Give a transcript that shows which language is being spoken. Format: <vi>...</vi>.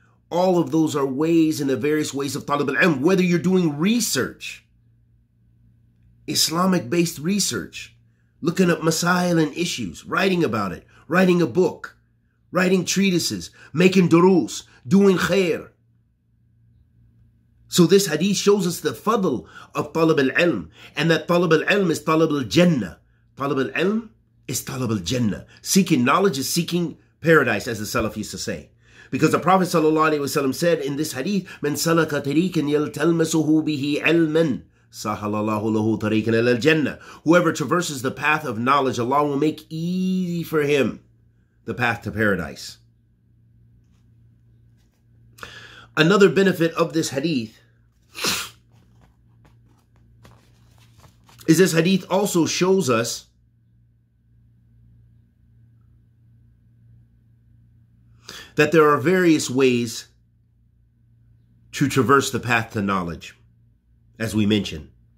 <en>All of those are ways and the various ways of talab al-ilm. Whether you're doing research, Islamic-based research, looking up masail and issues, writing about it, writing a book, writing treatises, making durus, doing khair. So this hadith shows us the fadl of talab al-ilm, and that talab al-ilm is talab al-jannah. Talab al-ilm is talab al-jannah. Seeking knowledge is seeking paradise, as the Salaf used to say. Because the Prophet ﷺ said in this hadith,</en> <ar>من سلك طريقا يلتمسه به علما سهل الله له طريقا إلى الجنة.</ar> <en>Whoever traverses the path of knowledge, Allah will make easy for him the path to paradise. Another benefit of this hadith is this hadith also shows us that there are various ways to traverse the path to knowledge, as we mentioned.</en>